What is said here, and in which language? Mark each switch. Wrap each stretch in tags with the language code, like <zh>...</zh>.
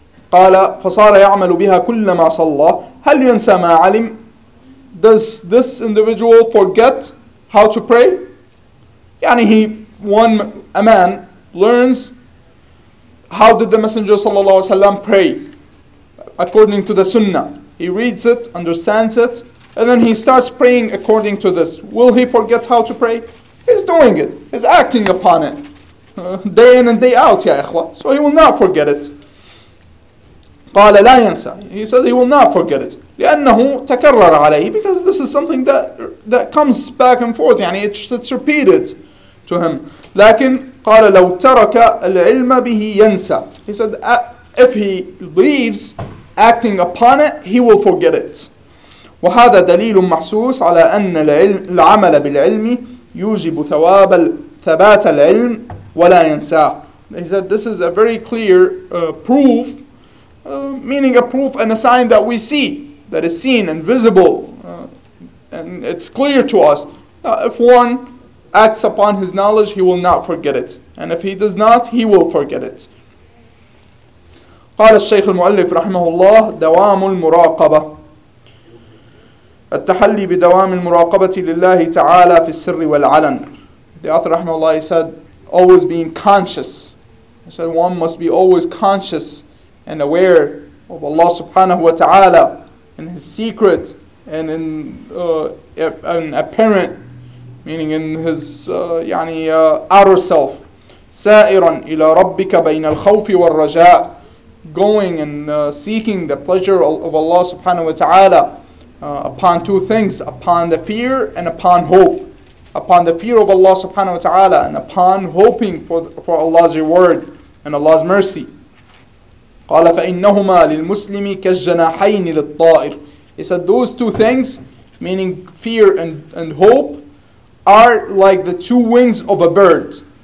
<ar>قال فصار يعمل بها كلما صلى هل ينسى ما علم.</ar> <en>Does this individual forget how to pray? يعني a man learns how did the Messenger sallallahu alaihi wasallam pray according to the sunnah. He reads it, understands it, and then he starts praying according to this. Will he forget how to pray? He's doing it. He's acting upon it day in and day out, ya ikhwa. So he will not forget it.</en> <ar>قال لا ينسى.</ar> <en>He said he will not forget it.</en> <ar>لأنه تكرر عليه.</ar> <en>Because this is something that comes back and forth. يعني it's repeated to him.</en> <ar>لكن قال لو ترك العلم به ينسى.</ar> <en>He said if he leaves acting upon it, he will forget it.</en> <ar>وهذا دليل محسوس على أن العمل بالعلم يوجب ثواب ثبات العلم ولا ينساه.</ar> <en>He said, this is a very clear proof, meaning a proof and a sign that we see, that is seen and visible, and it's clear to us. If one acts upon his knowledge, he will not forget it. And if he does not, he will forget it.</en> <ar>قال الشيخ المؤلف رحمه الله دوام المراقبة التحلي بدوام المراقبة لله تعالى في السر والعلن.</ar> <en>The author رحمه الله said, always being conscious. He said, one must be always conscious and aware of Allah subhanahu wa ta'ala in his secret and in an apparent, meaning in his outer self.</en> <ar>سائراً إلى ربك بين الخوف والرجاء.</ar> <en>Going and seeking the pleasure of Allah subhanahu wa ta'ala upon two things, upon the fear and upon hope. Upon the fear of Allah subhanahu wa ta'ala and upon hoping for Allah's reward and Allah's mercy.</en> <ar>قال فإنهما للمسلم كالجناحين للطائر.</ar> <en>He said those two things, meaning fear and hope, are like the two wings of a bird.</en>